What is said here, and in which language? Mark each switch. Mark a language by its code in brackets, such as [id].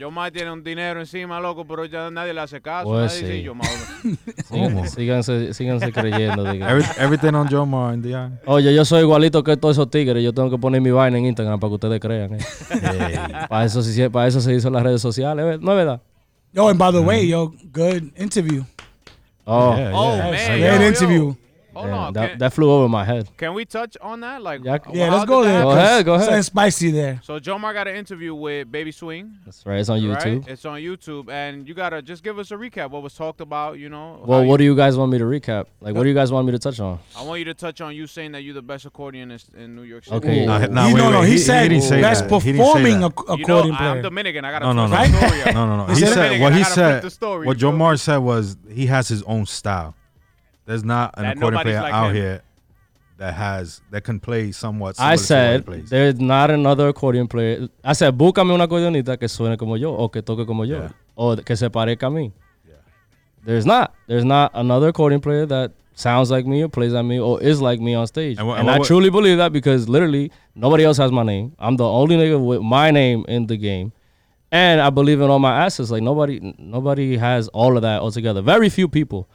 [es] Yomar tiene un dinero encima, loco, pero ya nadie le hace caso. Pues nadie sí. Dice Yomar. Síganse creyendo. [en] Everything on Yomar, India. [es] Oye, yo soy igualito que todos esos tigres, yo tengo que poner mi vaina en Instagram para que ustedes crean. Para eso se hizo las redes sociales, ¿no es verdad? [en] Yo, and by the way, yo, good interview. Oh, man. Great interview. Hold on. That flew over my head. Can we touch on that? Like, yeah, let's go there. Go ahead. It's spicy there. So Jomar got an interview with Baby Swing. That's right. It's on YouTube. Right? It's on YouTube. And you got to just give us a recap. What was talked about, you know? Well, what do you guys want me to recap? Like, what do you guys want me to touch on? I want you to touch on you saying that you're the best accordionist in New York City. Okay. He said best performing accordion player. I'm Dominican. I got to tell the story. No. What Jomar said was he has his own style. There's not an accordion player like out here that can play somewhat. I said there's not another accordion player. I said, [es] búscame un acordeonista que suene como yo o que toque como yo o que se parezca a mí. [en] There's not another accordion player that sounds like me or plays like me or is like me on stage. And I truly believe that because literally nobody else has my name. I'm the only nigga with my name in the game. And I believe in all my assets. Like nobody has all of that altogether. Very few people.